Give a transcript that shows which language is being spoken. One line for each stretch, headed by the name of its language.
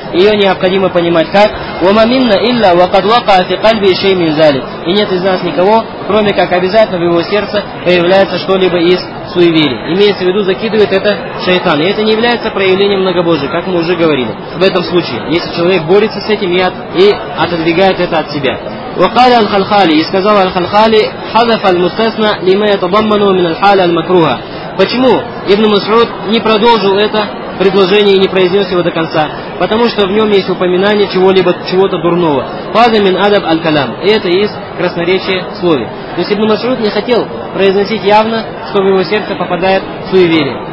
Russian: Ее необходимо понимать как «Вама минна илля вакадлака афикальби ишей минзали», и нет из нас никого, кроме как обязательно в его сердце появляется что-либо из суеверия. Имеется в виду, закидывает это шайтан. И это не является проявлением многобожия, как мы уже говорили. В этом случае, если человек борется с этим яд и отодвигает это от себя.
Arabic: وقال الخلخالي
Russian: сказал
Arabic: الخلخالي حذف المستثنى لما يتضمن من الحال المكروه.
Russian: Почему Ибн Масуд не продолжил это предложение и не произнес его до конца? Потому что в нем есть упоминание чего-либо, чего-то дурного. Фаза мин адаб аль-калам. И это из красноречия слове. То есть Ибн Масуд не хотел произносить явно, что в его сердце попадает суеверие.